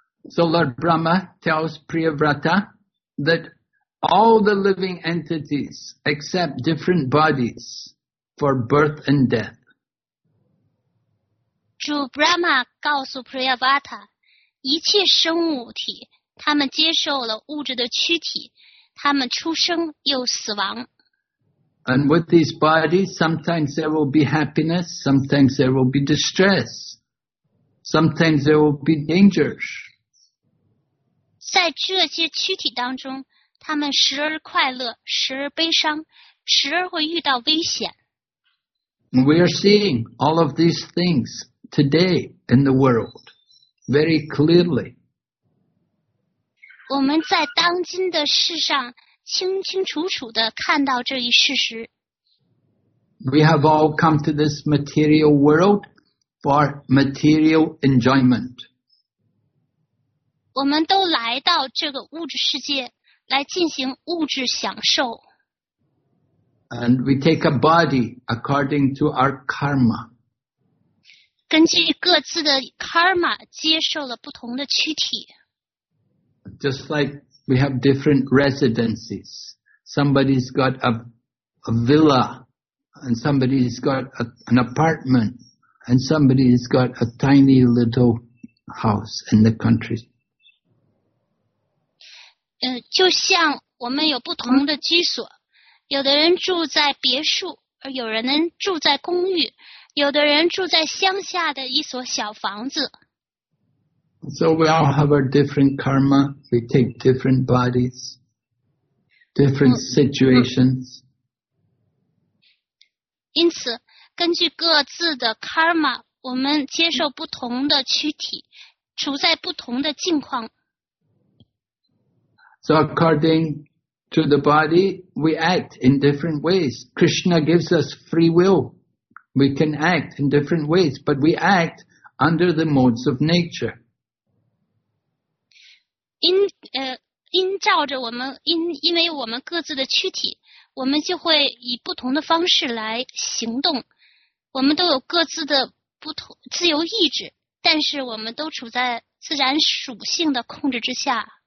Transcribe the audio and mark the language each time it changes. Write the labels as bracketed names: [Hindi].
[English] So Lord Brahma tells Priyavrata that all the living entities accept different bodies for birth and death. [Chinese] 主 Brahma 告诉 Priyavrata， 一切生物体，他们接受了物质的躯体。他们出生又死亡。 [English] And with these bodies, sometimes there will be happiness, sometimes there will be distress, sometimes there will be dangers. [Chinese] 在这些躯体当中，他们时而快乐，时而悲伤，时而会遇到危险。 [English] We are seeing all of these things today in the world very clearly. [Chinese] 我们在当今的世上清清楚楚地看到这一事实。 [English] We have all come to this material world for material enjoyment. [Chinese] 我们都来到这个物质世界来进行物质享受。 [English] And we take a body according to our karma. [Chinese] 根据各自的 karma 接受了不同的躯体。 [English] Just like we have different residences. Somebody's got a villa, and somebody's got an apartment, and somebody's got a tiny little house in the country. [Chinese] 就像我们有不同的居所，有的人住在别墅，有的人住在公寓，有的人住在乡下的一所小房子。 [English] So we all have our different karma. We take different bodies, different situations. [Chinese] 因此，根据各自的 karma， 我们接受不同的躯体，处在不同的境况。 [English] So according to the body, we act in different ways. Krishna gives us free will. We can act in different ways, but we act under the modes of nature. [Chinese] 因照着我们因为我们各自的躯体，我们就会以不同的方式来行动。我们都有各自的不同自由意志，但是我们都处在自然属性的控制之下。